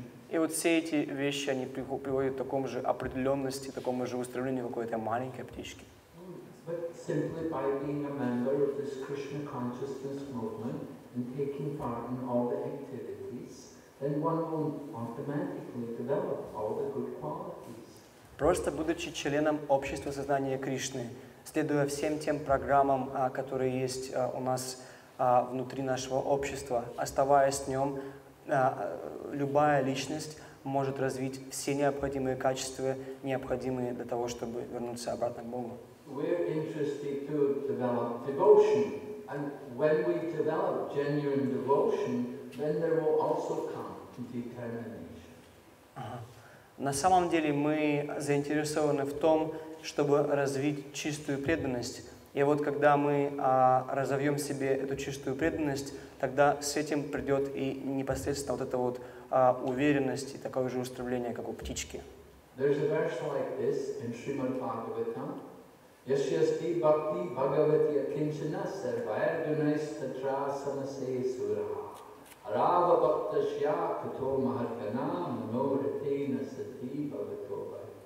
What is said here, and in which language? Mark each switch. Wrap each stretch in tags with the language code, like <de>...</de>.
<ru>И вот все эти вещи, они приводят к такому же определенности, к такому же устремлению какой-то маленькой птички.</ru> <en>But simply by being a member of this Krishna consciousness movement and taking part in all the activities, then one will automatically develop all the good qualities.</en> <ru>Просто будучи членом общества сознания Кришны, следуя всем тем программам, которые есть у нас внутри нашего общества, оставаясь в нем, любая личность может развить все необходимые качества, необходимые для того, чтобы вернуться обратно к Богу.</ru> <en>We're interested to develop devotion, and when we develop genuine devotion, then there will also come determination.</en> <ru>На самом деле мы заинтересованы в том, чтобы развить чистую преданность. И вот когда мы разовьем себе эту чистую преданность, тогда с этим придет и непосредственно вот эта вот уверенность и такое же устремление, как у птички.</ru> <en>There's a verse like this in Srimad Bhagavatam.</en> <sa>Yashyasti bhakti bhagavati akinchanasar vayadunaistatra samase sura. Arava bhakta shya kato mahargana manoratena sati bhagatova.</sa>